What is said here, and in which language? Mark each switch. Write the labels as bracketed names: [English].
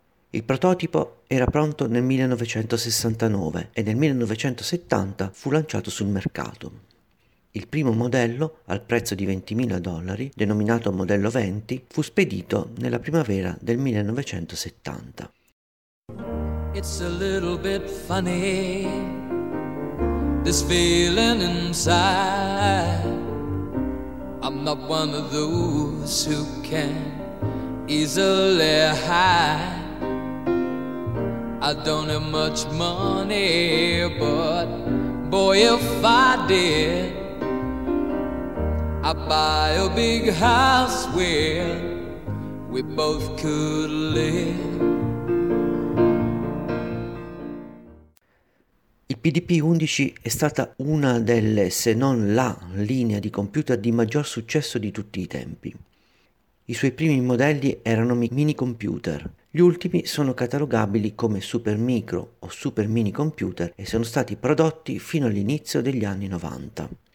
[Italian] Il prototipo era pronto nel 1969 e nel 1970 fu lanciato sul mercato. Il primo modello, al prezzo di $20.000, denominato modello 20, fu spedito nella primavera del 1970. [English] It's a little bit funny, this feeling inside. I'm not one of those who can easily hide. I don't have much money, but boy, if I did, I'd buy a big house where we both could live. [Italian] Il PDP-11 è stata una delle, se non la, linea di computer di maggior successo di tutti i tempi. I suoi primi modelli erano mini computer. Gli ultimi sono catalogabili come super micro o super mini computer e sono stati prodotti fino all'inizio degli anni 90.